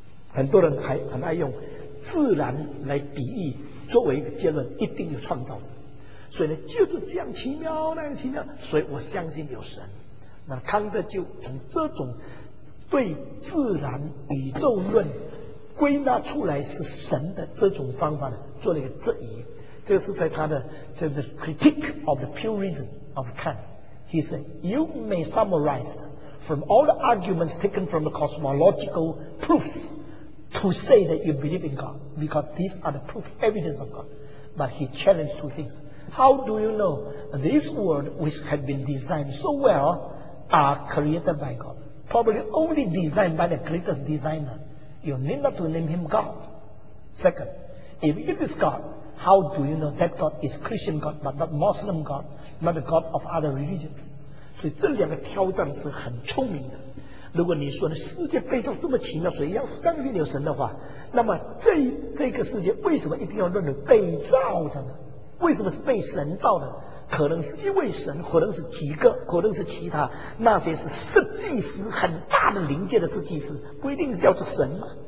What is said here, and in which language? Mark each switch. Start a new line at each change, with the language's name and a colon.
Chinese: 很多人还很爱用自然来比喻作为一个结论，一定有创造者，所以呢，就是这样奇妙，那样奇妙，所以我相信有神。那康德就从这种对自然宇宙论归纳出来是神的这种方法呢，做了一个质疑。这是在他的这个
English: Critique of the Pure Reason of Kant. He said, "You may summarize from all the arguments taken from the cosmological proofs to say that you believe in God, because these are the proof evidence of God." But he challenged two things. How do you know this world which has been designed so well are created by God? Probably only designed by the greatest designer. You need not to name him God. Second, if it is God, how do you know that God is Christian God but not Muslim God, not the God of other religions?
Chinese: 所以这两个挑战是很聪明的。如果你说世界背后这么奇妙，所以要相信有神的话，那么这个世界为什么一定要论为被造的呢？为什么是被神造的？可能是一位神，可能是几个，可能是其他，那些是设计师，很大的灵界的设计师，不一定叫做神嘛？